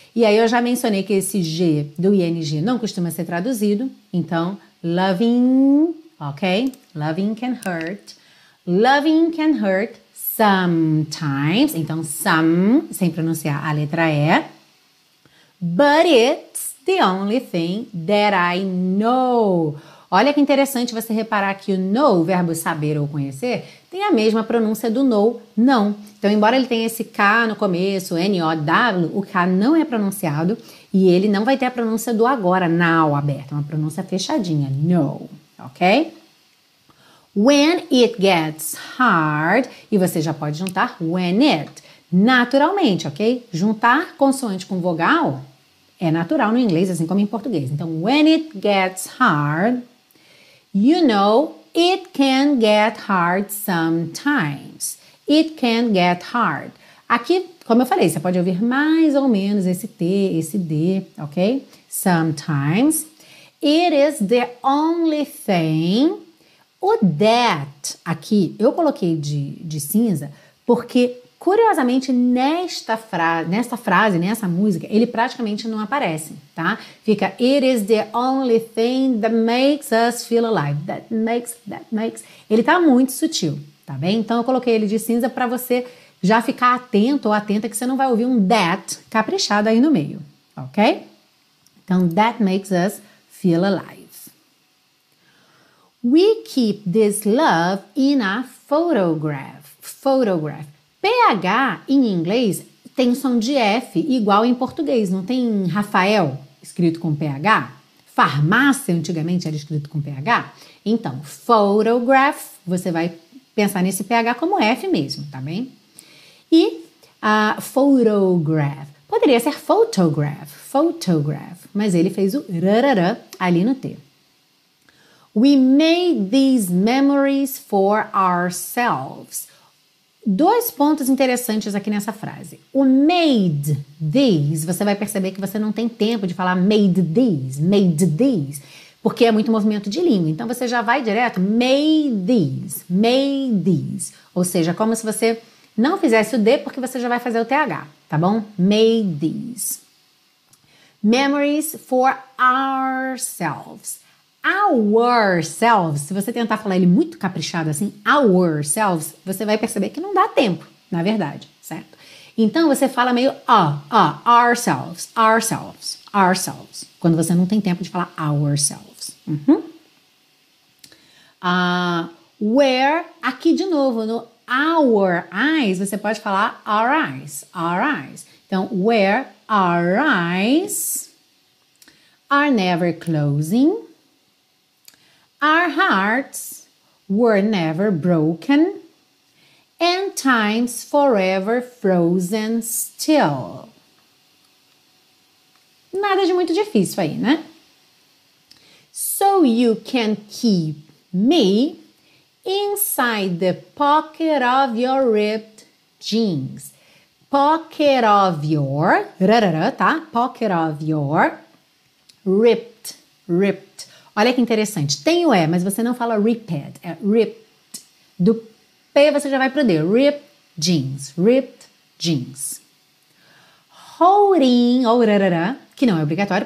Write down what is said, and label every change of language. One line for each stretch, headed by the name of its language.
Portuguese: E aí eu já mencionei que esse G do ING não costuma ser traduzido.
English: Então, loving, ok? Loving can hurt. Loving can hurt. Sometimes,
Portuguese: então some, sem pronunciar a letra E.
English: But it's the only thing that I know.
Portuguese: Olha que interessante você reparar que o know, o verbo saber ou conhecer, tem a mesma pronúncia do know, não. Então, embora ele tenha esse K no começo, N-O-W, o K não é pronunciado e ele não vai ter a pronúncia do agora, now, aberta, uma pronúncia fechadinha, know, ok?
English: When it gets hard,
Portuguese: e você já pode juntar
English: when it,
Portuguese: naturalmente,
English: ok?
Portuguese: Juntar consoante com vogal é natural no inglês, assim como em português.
English: Então, when it gets hard, you know it can get hard sometimes. It can get hard.
Portuguese: Aqui, como eu falei, você pode ouvir mais ou menos esse T, esse D, ok?
English: Sometimes. It is the only thing.
Portuguese: O that aqui, eu coloquei de cinza, porque, curiosamente, nesta frase, nessa música, ele praticamente não aparece, tá?
English: Fica, it is the only thing that makes us feel alive. That makes...
Portuguese: Ele tá muito sutil, tá bem? Então, eu coloquei ele de cinza pra você já ficar atento ou atenta que você não vai ouvir um that caprichado aí no meio, ok?
English: Então, that makes us feel alive. We keep this love in a photograph. Photograph.
Portuguese: PH em inglês tem som de F igual em português. Não tem Rafael escrito com PH? Farmácia antigamente era escrito com PH? Então, photograph, você vai pensar nesse PH como F mesmo, tá bem? E a photograph. Poderia ser photograph. Photograph. Mas ele fez o rarará ali no T.
English: We made these memories for ourselves.
Portuguese: Dois pontos interessantes aqui nessa frase. O
English: made these,
Portuguese: você vai perceber que você não tem tempo de falar made these, porque é muito movimento de língua. Então, você já vai direto,
English: made these.
Portuguese: Ou seja, como se você não fizesse o D, porque você já vai fazer o TH, tá bom?
English: Made these. Memories for ourselves.
Portuguese: Ourselves, se você tentar falar ele muito caprichado assim, ourselves, você vai perceber que não dá tempo, na verdade, certo? Então, você fala meio ourselves, ourselves, ourselves, quando você não tem tempo de falar ourselves. Uhum.
English: Where,
Portuguese: aqui de novo, no
English: our eyes,
Portuguese: você pode falar
English: our eyes, então, where our eyes are never closing. Our hearts were never broken, and time's forever frozen still.
Portuguese: Nada de muito difícil aí, né?
English: So you can keep me inside the pocket of your ripped jeans. Pocket of your, tá? Pocket of your ripped.
Portuguese: Olha que interessante. Tem o E, mas você não fala ripped. É ripped. Do P você já vai pro D.
English: Ripped jeans. Ripped jeans. Holding.
Portuguese: Ou rarará, que não é obrigatório.